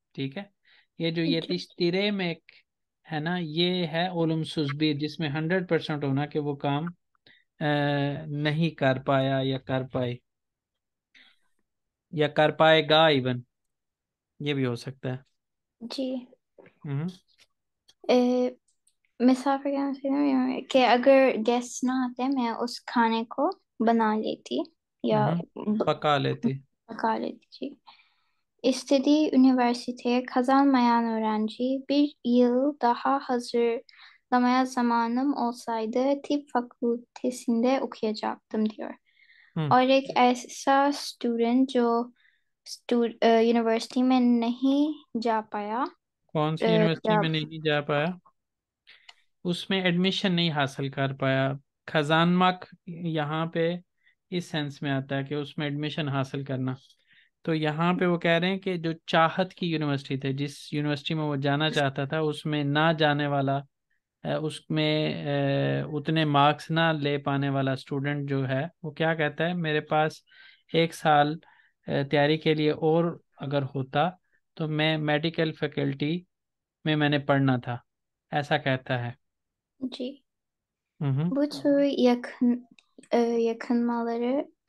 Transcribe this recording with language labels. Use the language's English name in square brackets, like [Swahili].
[Hindi] ठीक है, ये जो ये तिश्तिरे में है ना, ये है ओलुमसुजबीर जिसमें 100% होना कि वो काम नहीं कर पाया या कर पाए या कर पाएगा इवन, ये भी हो सकता है. जी मिसाफिर कि अगर गेस्ट ना आते, मैं उस खाने को बना लेती या पका पका लेती. लेती. [Turkish] जी, İstediği üniversiteye kazanmayan öğrenci, bir yıl daha hazırlamaya zamanım olsaydı tıp fakültesinde okuyacaktım diyor. [Hindi] Aurek aisa student jo university mein nahi ja paya, कौन सी यूनिवर्सिटी में नहीं जा पाया, उसमें एडमिशन नहीं हासिल कर पाया. खजानमक यहाँ पे इस सेंस में आता है कि उसमें एडमिशन हासिल करना. तो यहाँ पे वो कह रहे हैं कि जो चाहत की यूनिवर्सिटी थे, जिस यूनिवर्सिटी में वो जाना चाहता था उसमें ना जाने वाला, उसमें उतने मार्क्स ना ले पाने वाला स्टूडेंट जो है वो क्या कहता है, मेरे पास 1 साल तैयारी के लिए और अगर होता तो मैं मेडिकल फैकल्टी में मैंने पढ़ना था, ऐसा कहता है. जी, [Turkish] bu tür yakınmaları